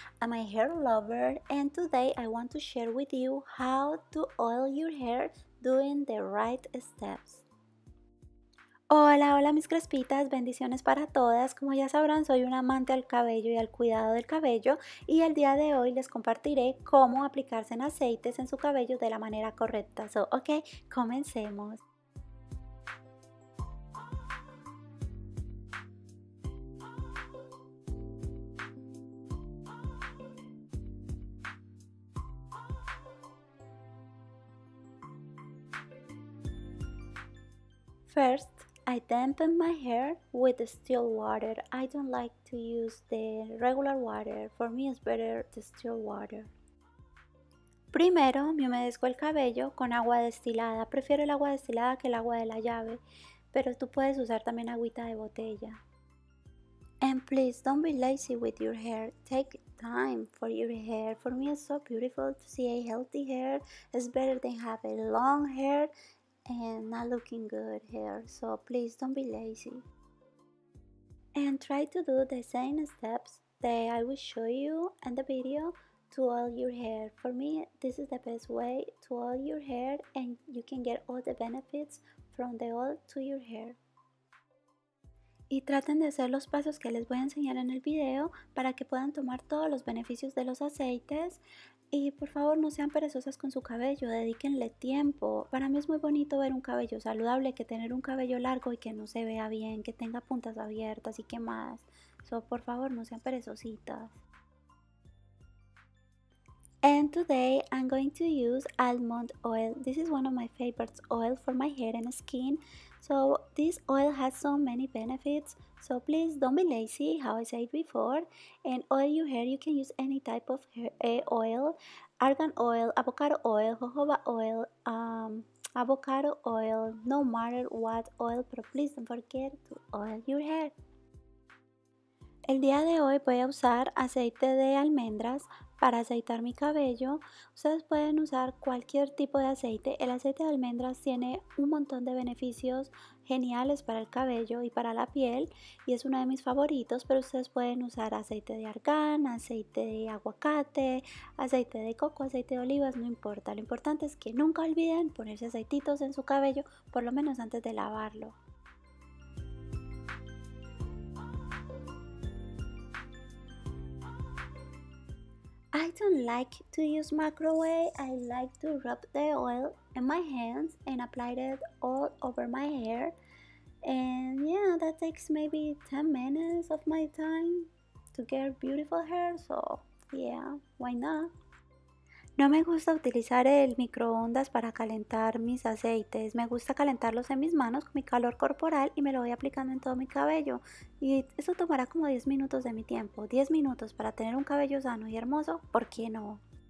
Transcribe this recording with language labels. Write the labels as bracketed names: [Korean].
[English] I'm a hair lover, and today I want to share with you how to oil your hair doing the right steps. [Spanish] Hola, hola, mis crespitas. Bendiciones para todas. Como ya sabrán, soy una amante al cabello y al cuidado del cabello, y el día de hoy les compartiré cómo aplicarse en aceites en su cabello de la manera correcta. So, ok, comencemos. [English] First, I dampen my hair with distilled water. I don't like to use the regular water. For me, it's better distilled water. [Spanish] Primero, me humedezco el cabello con agua destilada. Prefiero el agua destilada que el agua de la llave, pero tú puedes usar también agüita de botella. [English] And please, don't be lazy with your hair. Take time for your hair. For me, it's so beautiful to see a healthy hair. It's better than have a long hair and not looking good here, so please don't be lazy. And try to do the same steps that I will show you in the video to oil your hair. For me, this is the best way to oil your hair, and you can get all the benefits from the oil to your hair. [Spanish] Y traten de hacer los pasos que les voy a enseñar en el video para que puedan tomar todos los beneficios de los aceites. Y por favor, no sean perezosas con su cabello, dedíquenle tiempo. Para mí es muy bonito ver un cabello saludable que tener un cabello largo y que no se vea bien, que tenga puntas abiertas y quemadas. So, por favor, no sean perezositas. [English] And today I'm going to use almond oil. This is one of my favorite oils for my hair and skin. So, this oil has so many benefits. So, please don't be lazy, how I said before. And oil your hair, you can use any type of hair oil: argan oil, avocado oil, jojoba oil, avocado oil, no matter what oil. But please don't forget to oil your hair. [Spanish] El día de hoy voy a usar aceite de almendras para aceitar mi cabello. Ustedes pueden usar cualquier tipo de aceite. El aceite de almendras tiene un montón de beneficios geniales para el cabello y para la piel, y es uno de mis favoritos, pero ustedes pueden usar aceite de argán, aceite de aguacate, aceite de coco, aceite de olivas, no importa. Lo importante es que nunca olviden ponerse aceititos en su cabello, por lo menos antes de lavarlo. [English] I don't like to use microwave. I like to rub the oil in my hands and apply it all over my hair. And yeah, that takes maybe 10 minutes of my time to get beautiful hair. So yeah, why not? [Spanish] No me gusta utilizar el microondas para calentar mis aceites. Me gusta calentarlos en mis manos con mi calor corporal y me lo voy aplicando en todo mi cabello. Y eso tomará como 10 minutos de mi tiempo. 10 minutos para tener un cabello sano y hermoso, ¿por qué no?